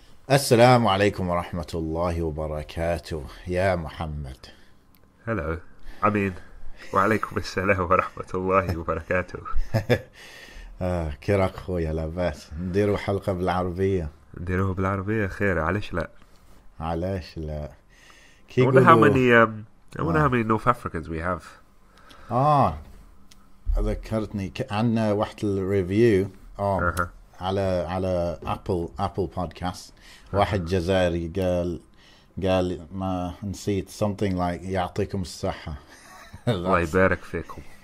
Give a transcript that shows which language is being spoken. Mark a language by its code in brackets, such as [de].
[ar] السلام عليكم ورحمة الله وبركاته يا محمد. [en] Hello, I mean, [ar] wa alaykum assalam wa rahmatullahi wa barakatuh. كيراك خويا؟ لاباس؟ نديرو حلقة بالعربية. نديروه بالعربية خير، علاش لا؟ علاش لا؟ كي يقولوا [en] I wonder how many North Africans we have. [ar] ذكرتني عندنا واحد الريفيو على ابل بودكاست. واحد جزائري قال ما نسيت [en] something like [ar] يعطيكم الصحه. الله يبارك فيكم.